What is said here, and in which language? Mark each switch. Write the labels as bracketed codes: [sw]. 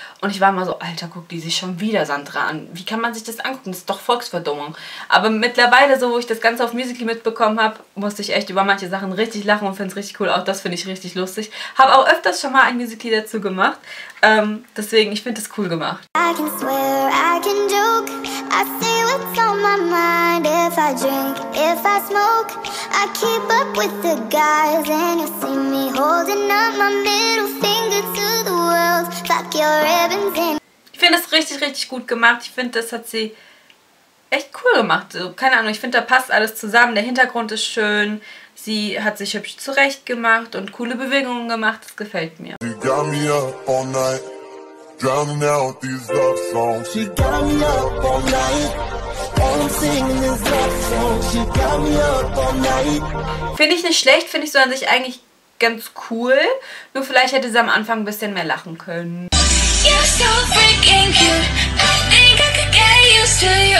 [de] Und ich war immer so, Alter, guck die sich schon wieder Sandra an. Wie kann man sich das angucken? Das ist doch Volksverdummung. Aber mittlerweile, so wo ich das Ganze auf Musical.ly mitbekommen habe, musste ich echt über manche Sachen richtig lachen und finde es richtig cool. Auch das finde ich richtig lustig. Habe auch öfters schon mal ein Musical.ly dazu gemacht. Deswegen, ich finde das cool gemacht. [en] I can swear, I can joke. I see what's on my mind. If I drink, if I smoke, I keep up with the guys. And you see me holding up my middle finger to the world. Fuck your ribbons in. [de] Ich finde das richtig, richtig gut gemacht. Ich finde, das hat sie echt cool gemacht. Also, keine Ahnung, ich finde, da passt alles zusammen. Der Hintergrund ist schön. Sie hat sich hübsch zurecht gemacht und coole Bewegungen gemacht. Das gefällt mir. [en] She got me up all night, drowning out these love songs. She got me up all night, and I'm singing this love song. She got me up all night. [de] Finde ich nicht schlecht, finde ich so an sich eigentlich ganz cool. Nur vielleicht hätte sie am Anfang ein bisschen mehr lachen können. [en] You're so freaking cute. I think I could get used to you.